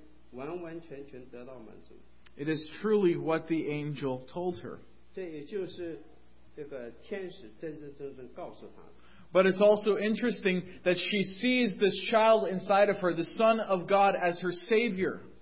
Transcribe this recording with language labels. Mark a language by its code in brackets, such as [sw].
[zh] 所以我是觉得这里很重要的是，玛利亚能够在神里面完完全全得到满足。 [en] It is truly what the angel told her. [zh] 这也就是这个天使真真正正告诉她的。 [en] But it's also interesting that she sees this child inside of her, the Son of God, as her Savior.